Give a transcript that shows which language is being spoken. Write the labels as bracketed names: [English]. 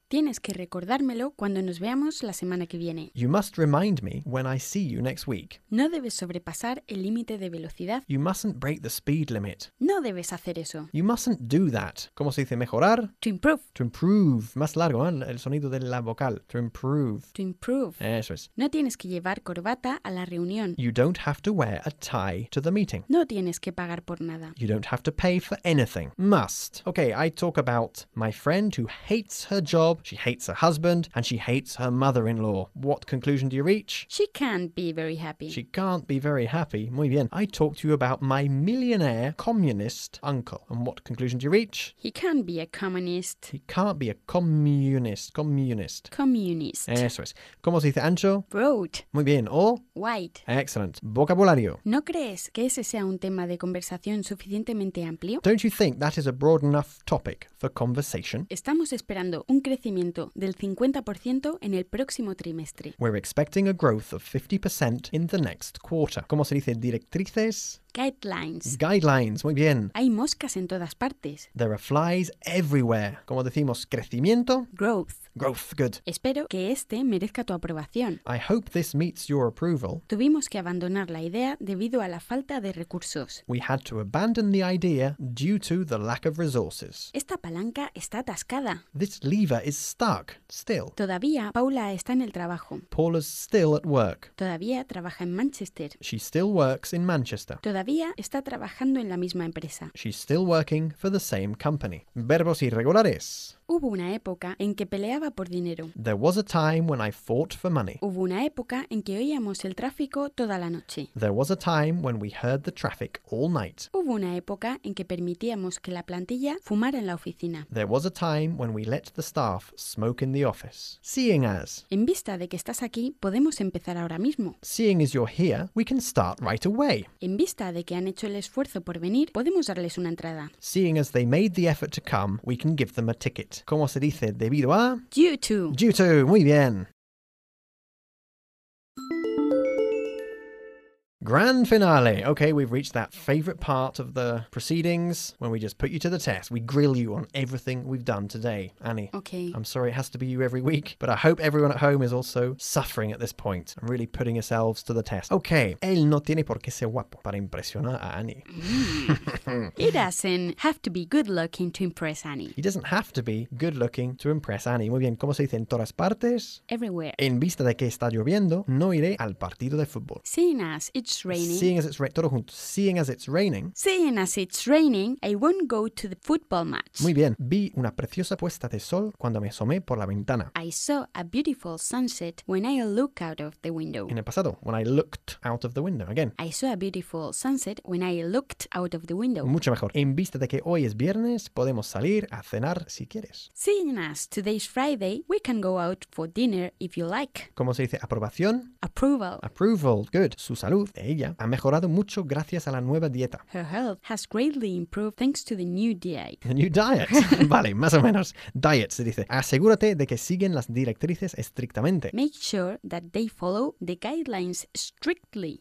[Spanish] Tienes que recordármelo cuando nos veamos la semana que viene. [English] You must remind me when I see you next week. [Spanish] No debes sobrepasar el límite de velocidad. [English] You mustn't break the speed limit. [Spanish] No debes hacer eso. [English] You mustn't do that. [Spanish] ¿Cómo se dice mejorar? [English] To improve. To improve. [Spanish] Más largo, ¿eh? El sonido de la vocal. To improve. [English] To improve. [Spanish] Eso es. No tienes que llevar corbata a la reunión. [English] You don't have to wear a tie to the meeting. [Spanish] No tienes que pagar por nada. [English] You don't have to pay for anything. Must. Okay. Okay, I talk about my friend who hates her job, she hates her husband, and she hates her mother-in-law. What conclusion do you reach? She can't be very happy. She can't be very happy. [Spanish] Muy bien. [English] I talk to you about my millionaire communist uncle. And what conclusion do you reach? He can't be a communist. He can't be a communist. Communist. Communist. [Spanish] Eso es. ¿Cómo se dice ancho? [English] Broad. [Spanish] Muy bien. ¿O? [English] White. Excellent. Vocabulario. [Spanish] ¿No crees que ese sea un tema de conversación suficientemente amplio? [English] Don't you think that is a broad enough topic for conversation? [Spanish] Estamos esperando un crecimiento del 50% en el próximo trimestre. [English] We're expecting a growth of 50% in the next quarter. [Spanish] ¿Cómo se dice directrices? [English] Guidelines. Guidelines, [Spanish] muy bien. Hay moscas en todas partes. [English] There are flies everywhere. [Spanish] ¿Cómo decimos crecimiento? [English] Growth. Growth, good. [Spanish] Espero que este merezca tu aprobación. [English] I hope this meets your approval. [Spanish] Tuvimos que abandonar la idea debido a la falta de recursos. [English] We had to abandon the idea due to the lack of resources. [Spanish] Esta palanca está atascada. [English] This lever is stuck, still. [Spanish] Todavía Paula está en el trabajo. [English] Paula's still at work. [Spanish] Todavía trabaja en Manchester. [English] She still works in Manchester. [Spanish] Todavía está trabajando en la misma empresa. [English] She's still working for the same company. [Spanish] Verbos irregulares. Hubo una época en que peleaba por dinero. [English] There was a time when I fought for money. [Spanish] Hubo una época en que oíamos el tráfico toda la noche. [English] There was a time when we heard the traffic all night. [Spanish] Hubo una época en que permitíamos que la plantilla fumara en la oficina. [English] There was a time when we let the staff smoke in the office. Seeing as. [Spanish] En vista de que estás aquí, podemos empezar ahora mismo. [English] Seeing as you're here, we can start right away. [Spanish] En vista de que han hecho el esfuerzo por venir, podemos darles una entrada. [English] Seeing as they made the effort to come, we can give them a ticket. [Spanish] ¿Cómo se dice debido a? [English] Due to. Due to. [Spanish] Muy bien. [English] Grand finale. Okay, we've reached that favorite part of the proceedings when we just put you to the test. We grill you on everything we've done today, Annie. Okay. I'm sorry it has to be you every week, but I hope everyone at home is also suffering at this point and really putting yourselves to the test. Okay. [Spanish] Él no tiene por qué ser guapo para impresionar a Annie. [English] He doesn't have to be good looking to impress Annie. He doesn't have to be good looking to impress Annie. [Spanish] Muy bien. ¿Cómo se dice en todas partes? [English] Everywhere. [Spanish] En vista de que está lloviendo, no iré al partido de fútbol. [English] Seeing as it's raining. Seeing as it's [Spanish] todo junto. [English] Seeing as it's raining. Seeing as it's raining, I won't go to the football match. [Spanish] Muy bien. Vi una preciosa puesta de sol cuando me asomé por la ventana. [English] I saw a beautiful sunset when I looked out of the window. [Spanish] En el pasado, [English] when I looked out of the window. Again. I saw a beautiful sunset when I looked out of the window. [Spanish] Mucho mejor. En vista de que hoy es viernes, podemos salir a cenar si quieres. [English] Seeing as today's Friday, we can go out for dinner if you like. [Spanish] ¿Cómo se dice aprobación? [English] Approval. Approval. Good. [Spanish] Su salud. Ella ha mejorado mucho gracias a la nueva dieta. [English] Her health has greatly improved thanks to the new diet. The new diet. [Spanish] Vale, más o menos. Diet, se dice. Asegúrate de que siguen las directrices estrictamente. [English] Make sure that they follow the guidelines strictly.